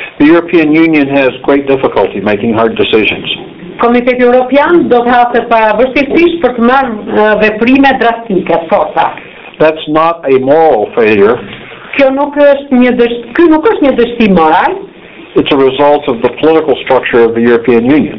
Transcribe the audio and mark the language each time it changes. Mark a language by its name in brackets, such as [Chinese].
[English] The European Union has great difficulty making hard decisions. [Albanian] Komiteti Evropian do të hasë pavarësisht për të marrë veprime drastike, forta. [English] That's not a moral failure. [Albanian] Kjo nuk është një dështim moral. [English] It's a result of the political structure of the European Union.